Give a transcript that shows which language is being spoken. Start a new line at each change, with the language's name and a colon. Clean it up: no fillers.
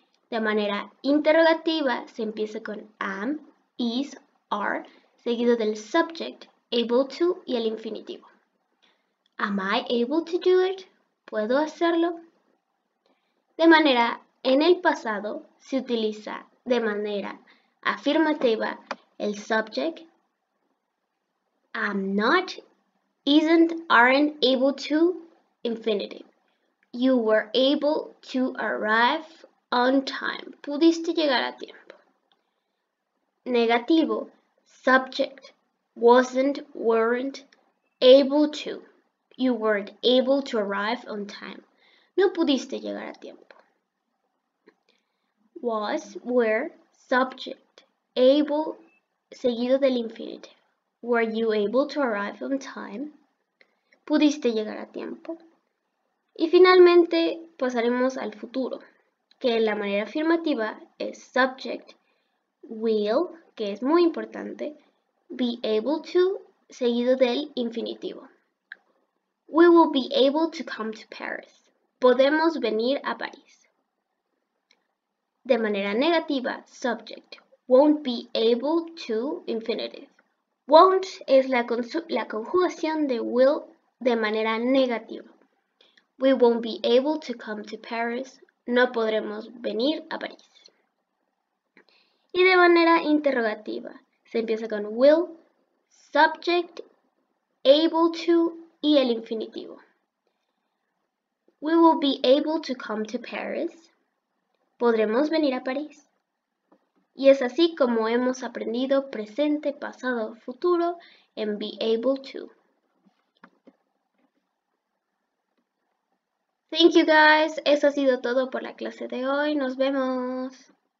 Spanish: De manera interrogativa, se empieza con am, is, are, seguido del subject, able to, y el infinitivo.
English: Am I able to do it?
Spanish: ¿Puedo hacerlo? De manera, en el pasado, se utiliza de manera afirmativa el subject.
English: I'm not, isn't, aren't able to, infinitive. You were able to arrive on time.
Spanish: Pudiste llegar a tiempo. Negativo.
English: Subject. Wasn't, weren't, able to. You weren't able to arrive on time.
Spanish: No pudiste llegar a tiempo.
English: Was, were, subject, able, seguido del infinitive. Were you able to arrive on time?
Spanish: ¿Pudiste llegar a tiempo? Y finalmente pasaremos al futuro, que en la manera afirmativa es subject, will, que es muy importante, be able to, seguido del infinitivo.
English: We will be able to come to Paris.
Spanish: Podemos venir a París. De manera negativa, subject, won't be able to, infinitive. Won't es la conjugación de will de manera negativa.
English: We won't be able to come to Paris.
Spanish: No podremos venir a París. Y de manera interrogativa, se empieza con will, subject, able to y el infinitivo.
English: We will be able to come to Paris.
Spanish: ¿Podremos venir a París? Y es así como hemos aprendido presente, pasado, futuro en be able to.
English: Thank you guys.
Spanish: Eso ha sido todo por la clase de hoy. Nos vemos.